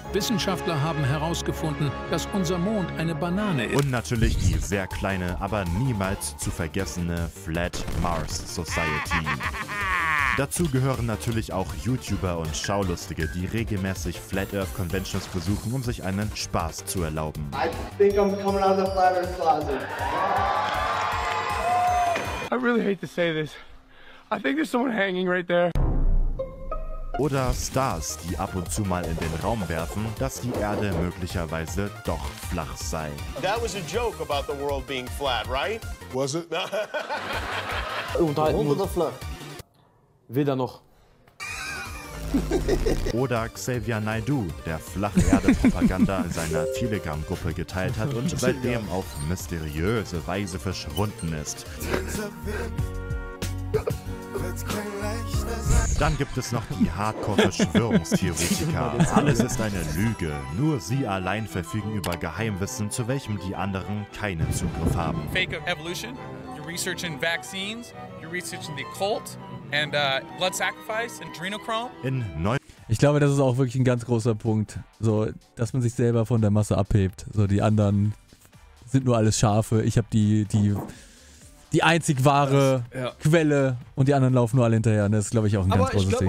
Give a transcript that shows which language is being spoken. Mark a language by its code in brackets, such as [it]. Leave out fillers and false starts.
[de] Wissenschaftler haben herausgefunden, dass unser Mond eine Banane ist. Und natürlich die sehr kleine, aber niemals zu vergessene Flat Mars Society. Dazu gehören natürlich auch YouTuber und Schaulustige, die regelmäßig Flat Earth Conventions besuchen, um sich einen Spaß zu erlauben. [en] I think I'm coming out of the Flat Earth Closet. I really hate to say this. I think there's someone hanging right there. [de] Oder Stars, die ab und zu mal in den Raum werfen, dass die Erde möglicherweise doch flach sei. [en] That was a joke about the world being flat, right? Was it? [de] Unterhalten oder flach? Weder noch. Oder Xavier Naidoo, der Flacherde-Propaganda in seiner Telegram-Gruppe geteilt hat und seitdem auf mysteriöse Weise verschwunden ist. Dann gibt es noch die Hardcore-Verschwörungstheoretiker. Alles ist eine Lüge. Nur sie allein verfügen über Geheimwissen, zu welchem die anderen keinen Zugriff haben. [en] Fake of Evolution, you're researching vaccines, you're researching the cult. And blood sacrifice, adrenochrome. [de] Ich glaube, das ist auch wirklich ein ganz großer Punkt. So, dass man sich selber von der Masse abhebt. So, die anderen sind nur alles Schafe. Ich habe die einzig wahre Quelle und die anderen laufen nur alle hinterher. Und das ist, glaube ich, auch ein Aber ganz großes Ding.